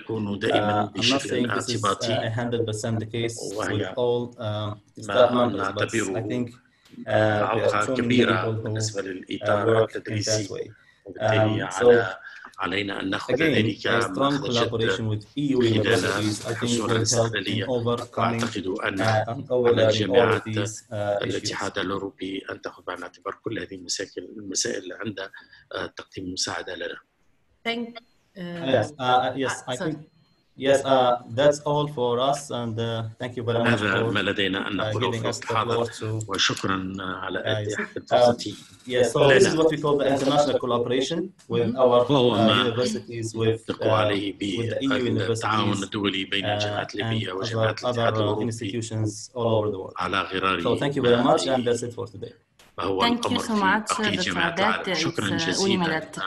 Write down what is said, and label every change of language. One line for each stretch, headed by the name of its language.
English: I'm not saying this is 100% the case with all staff members, but I think there are too many people who work in that way. So, again, a strong collaboration with EU universities, I think, will help in overcoming and overlapping all of these
Arabic: الاتحاد الأوروبي أن تأخذ بعين الاعتبار كل هذه المسائل عند تقديم مساعدة لنا.
English: Thank yes, I think that's all for us and thank you very much
Arabic: هذا ما لدينا أن نقوله في الحاضر وشكرا على التحدثي.
English: Yes, so this is what we call the international collaboration with our universities with the EU universities and other institutions all over the world. So thank you very much and that's it for today. Thank you so much, Dr. Abed.